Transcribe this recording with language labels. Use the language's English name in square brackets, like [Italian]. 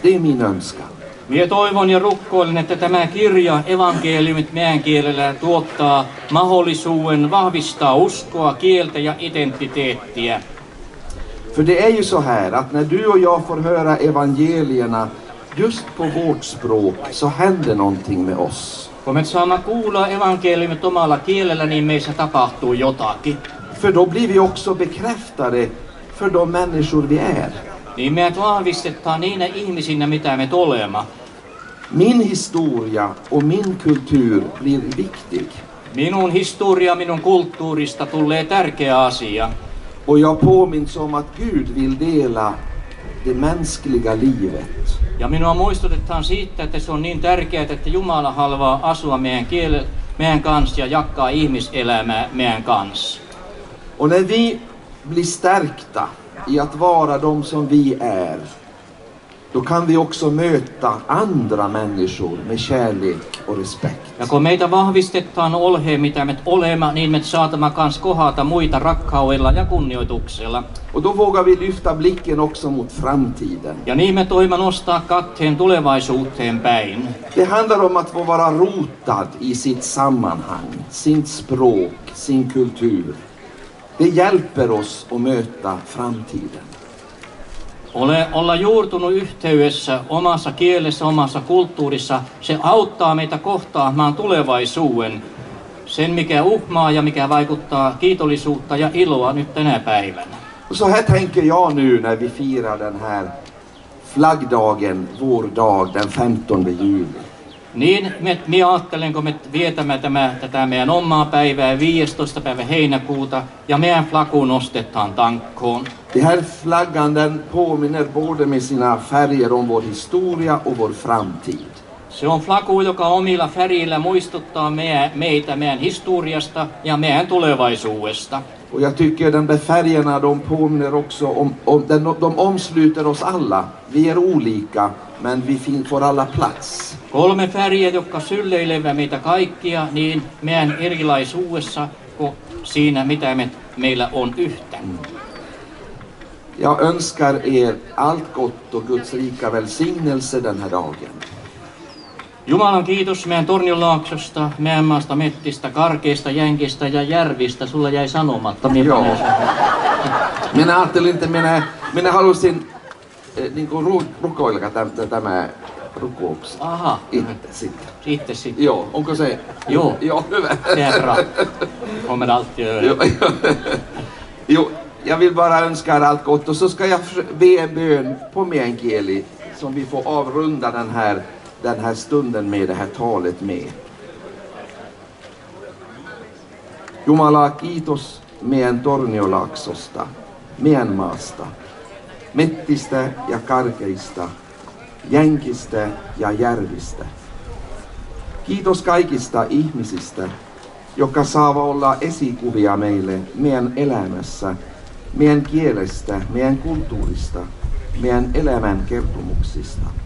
[Swedish] Det är min önskan. [Tornedalen Finnish] Minä toivon ja rukkoilen, että tämä kirja evankeliumit meänkielellä tuottaa mahdollisuuden vahvistaa uskoa, kieltä ja identiteettiä. [Swedish] För det är ju så här att när du och jag får höra evangelierna just på vårt språk så händer någonting med oss. [Tornedalen Finnish] Kun me saamme kuulla evankeliumit omalla kielellä, niin meissä tapahtuu jotakin. [Swedish] För då blir vi också bekräftade för de människor vi är. [Tornedalen Finnish] Niin meidät vahvistetaan niinä ihmisinä, mitä me olemme. [Swedish] Min historia och min kultur blir viktig. [Tornedalen Finnish] Minun historia, minun kulttuurista tulee tärkeä asia. [Swedish] Och jag påminns om att Gud vill dela det mänskliga livet. [Tornedalen Finnish] Ja minua muistutetaan siitä, että se on niin tärkeää, että Jumala haluaa asua meidän kanssa ja jakaa ihmiselämää meidän kanssa. [Swedish] Och när vi blir stärkta i att vara de som vi är, då kan vi också möta andra människor med kärlek och respekt. [Tornedalen Finnish] Ja kun meitä vahvistetaan olhe, mitä me olemme, niin me saatamme kans kohata muita rakkaudella ja kunnioituksella. [Swedish] Och då vågar vi lyfta blicken också mot framtiden. [Tornedalen Finnish] Ja niin me toimme nostaa katteen tulevaisuuteen päin. [Swedish] Det handlar om att få vara rotad i sitt sammanhang, sin språk, sin kultur. Det hjälper oss att möta framtiden. [Tornedalen Finnish] Olla juurtunut yhteydessä omassa kielessä, omassa kulttuurissa, se auttaa meitä kohtaamaan tulevaisuuden. Sen, mikä uhmaa ja mikä vaikuttaa kiitollisuutta ja iloa nyt tänä päivänä. [Swedish] Så här tänker jag nu när vi firar den här flaggdagen, vår dag, den 15 juli. [Tornedalen Finnish] Niin, minä ajattelen, kun me vietämme tätä meidän omaa päivää 15. päivä heinäkuuta ja meidän flaggu nostetaan tankkoon. [Swedish] Den här flaggan den påminner både med sina färger om vår historia och vår framtid. [Tornedalen Finnish] Se on flaggu, joka omilla färjillä muistuttaa meitä meidän historiasta ja meidän tulevaisuudesta. [Swedish] Och jag tycker den där färgerna de påminner också om de omsluter oss alla. Vi är olika, men vi finns för alla plats. [Tornedalen Finnish] Kolme färger, jotka sylleilevät meitä kaikkia, niin meidän erilaisuudessa kuin siinä, mitä meillä on yhtä. [Swedish] Jag önskar er allt gott och Guds rika välsignelse den här dagen. [Tornedalen Finnish] Jumalan kiitos meidän Tornionlaaksosta, meidän maasta Mettistä, Karkeista, Jänkistä ja Järvistä. Sulla jäi sanomatta. Minä ajattelin, että minä halusin niin kuin rukoilla tämä rukouks. Aha. Itse sitten. Joo, onko se? Joo. Joo, hyvä. Sehän on meidän alttia. Joo. [Swedish] Jag vill bara önska er allt gott och så ska jag be en bön på meänkieli som vi får avrunda den här stunden med det här talet med. [Tornedalen Finnish] Jumala, kiitos meidän Tornionlaaksosta, meidän maasta, Mettistä ja Karkeista, Jänkistä ja Järvistä. Kiitos kaikista ihmisistä, jotka saavat olla esikuvia meille meidän elämässä, meidän kielestä, meidän kulttuurista, meidän elämän kertomuksista.